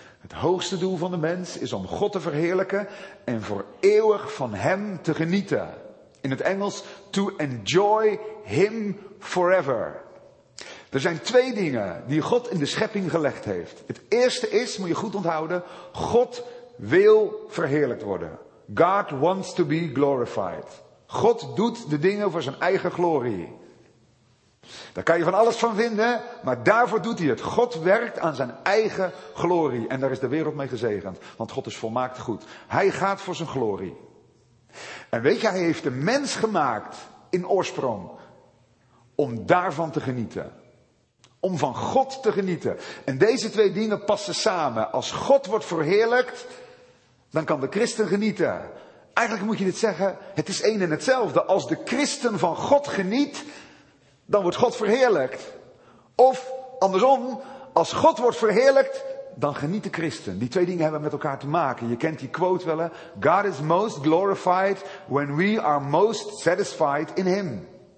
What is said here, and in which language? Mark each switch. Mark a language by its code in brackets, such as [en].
[nl] Het hoogste doel van de mens is om God te verheerlijken en voor eeuwig van Hem te genieten. In het Engels, [en] to enjoy Him forever. [nl] Er zijn twee dingen die God in de schepping gelegd heeft. Het eerste is, moet je goed onthouden, God wil verheerlijkt worden. [en] God wants to be glorified. [nl] God doet de dingen voor zijn eigen glorie. Daar kan je van alles van vinden, maar daarvoor doet hij het. God werkt aan zijn eigen glorie en daar is de wereld mee gezegend. Want God is volmaakt goed. Hij gaat voor zijn glorie. En weet je, hij heeft de mens gemaakt in oorsprong om daarvan te genieten. Om van God te genieten. En deze twee dingen passen samen. Als God wordt verheerlijkt, dan kan de christen genieten. Eigenlijk moet je dit zeggen, het is één en hetzelfde. Als de christen van God geniet, dan wordt God verheerlijkt. Of andersom, als God wordt verheerlijkt, dan geniet de christen. Die twee dingen hebben met elkaar te maken. Je kent die quote wel, hè? [en] God is most glorified when we are most satisfied in Him.